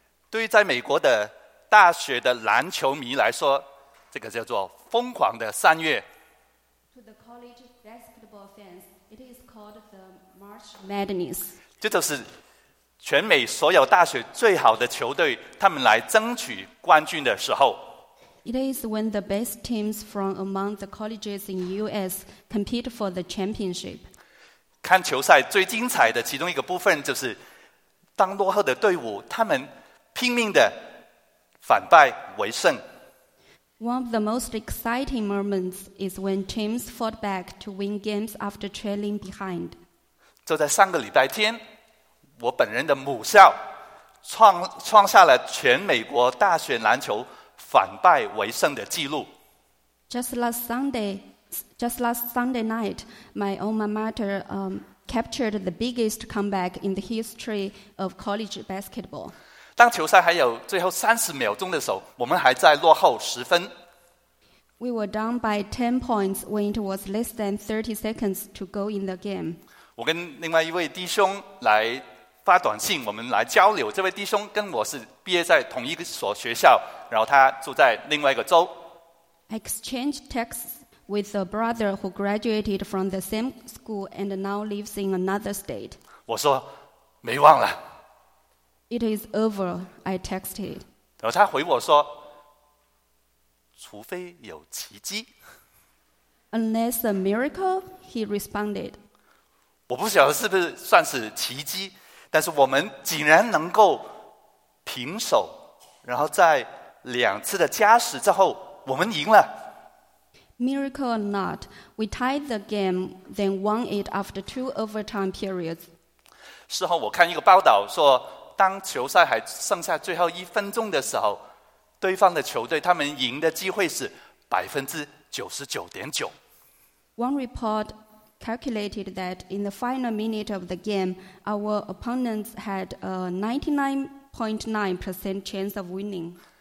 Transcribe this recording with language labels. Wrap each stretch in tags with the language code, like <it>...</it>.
<zh>对于在美国的大学的篮球迷来说，这个叫做疯狂的三月。</zh> <en>To the college basketball fans, it is called the March Madness.</en> <zh>这就是全美所有大学最好的球队，他们来争取冠军的时候。</zh> <en>It is when the best teams from among the colleges in U.S. compete for the championship.</en> <zh>看球赛最精彩的其中一个部分就是，当落后的队伍他们拼命的反败为胜。</zh> <en>One of the most exciting moments is when teams fought back to win games after trailing behind.</en> <zh>就在上个礼拜天。我本人的母校 创下了全美国大学篮球反败为胜的记录。</zh> <en>Just last Sunday night, my alma mater captured the biggest comeback in the history of college basketball.</en> <zh>当球赛还有最后30秒钟的时候，我们还在落后十分。</zh> <en>We were down by 10 points when it was less than 30 seconds to go in the game.</en> <zh>我跟另外一位弟兄来发短信，我们来交流。这位弟兄跟我是毕业在同一所学校，然后他住在另外一个州。</zh> <en>I exchanged texts with a brother who graduated from the same school and now lives in another state.</en> <zh>我说没忘了。</zh> <en>It is over, I texted.</en> <zh>然后他回我说，除非有奇迹。</zh> <en>Unless a miracle, he responded.</en> <zh>我不晓得是不是算是奇迹。但是我们竟然能够平手，然后在两次的加时之后，我们赢了。</zh> <en>Miracle or not, we tied the game, then won it after two overtime periods.</en> <zh>事后我看一个报道说，当球赛还剩下最后一分钟的时候，对方的球队他们赢的机会是 99.9%.</zh> <en>One report calculated that in the final minute of the game, our opponents had a 99.9% chance of winning.</en>